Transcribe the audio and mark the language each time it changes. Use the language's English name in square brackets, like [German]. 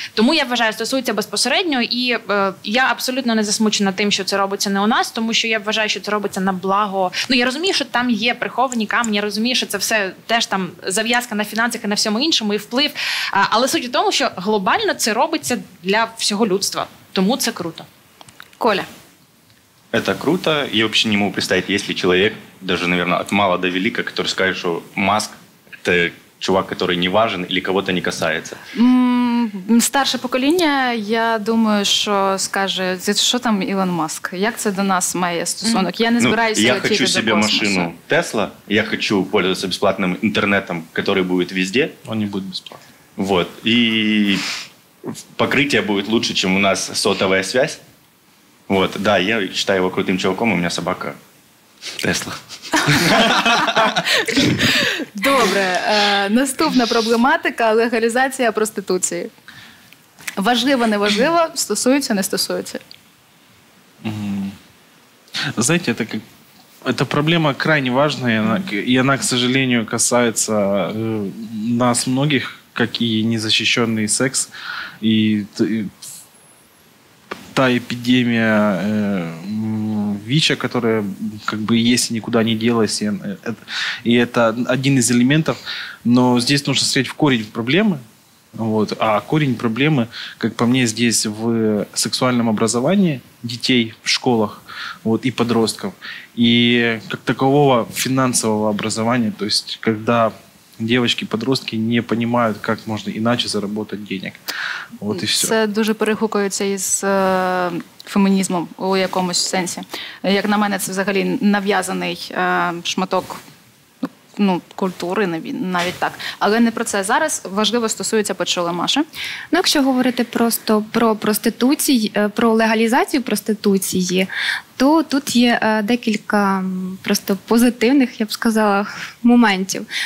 [Ukrainian] Тому я вважаю, стосується безпосередньо. І я абсолютно не засмучена тим, що це робиться не у нас, тому що я вважаю, що це робиться на благо. Ну, я розумію, що там є приховані камні, я розумію, що це все теж там зав'язка на фінансах і на всьому іншому, і вплив. Але суть у тому, що глобально це робиться для всього людства. Тому це круто. Коля. [Russian] Это круто. Я вообще не могу представить, есть ли человек, даже, наверное, от мала до велика, который скажет, что Маск – это чувак, который не важен или кого-то не касается. [Ukrainian] Старше покоління, я думаю, що скаже, що там Ілон Маск? Як це до нас має стосунок? Я не збираюся летіти до космосу. Я хочу себе машину Тесла, [Russian] я хочу пользоваться [Ukrainian] бесплатним інтернетом, який буде везде. Он не буде бесплатним. [Russian] Вот. [Ukrainian] І покриття буде краще, ніж у нас сотова зв'язь. [Russian] Вот, да, я считаю его крутым чуваком, у меня собака Тесла. [Ukrainian] Добре, наступна проблематика – легалізація проституції. Важливо, не важливо, стосується, не стосується. [Russian] Знаете, это проблема крайне важная, и она, к сожалению, касается нас многих, как и незащищенный секс, и та эпидемия ВИЧа, которая как бы есть и никуда не делась, и это один из элементов, но здесь нужно смотреть в корень проблемы, вот, а корень проблемы, как по мне, здесь в сексуальном образовании детей в школах, вот, и подростков, и как такового финансового образования, то есть когда девочки-подростки не понимают, как можно иначе заработать денег. Вот и все. [Ukrainian] Це дуже перехукується із фемінізмом у якомусь сенсі. Як на мене, це взагалі нав'язаний шматок культури, навіть так. Але не про це зараз. Важливо стосується, почула Маша. Ну, якщо говорити просто про проституцію, про легалізацію проституції, то тут є декілька просто позитивних, я б сказала, моментів.